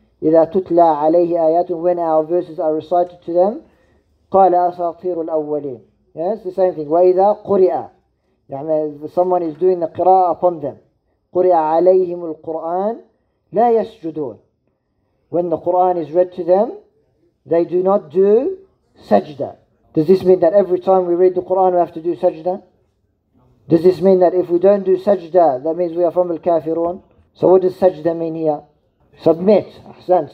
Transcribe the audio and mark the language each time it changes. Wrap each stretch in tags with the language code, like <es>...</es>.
<ar>إذا تتلى عليه آياتنا,</ar> <en>when our verses are recited to them,</en> <ar>قال أساطير الأولين.</ar> <en>Yes, the same thing.</en> <ar>وإذا قرئ,</ar> <en>someone is doing the qira'ah upon them.</en> <ar>قرئ عليهم القرآن لا يسجدون.</ar> <en>When the Quran is read to them, they do not do sajda. Does this mean that every time we read the Quran, we have to do sajda? Does this mean that if we don't do sajda, that means we are from al-kafirun? So what does sajda mean here? Submit. Ahsan.</en>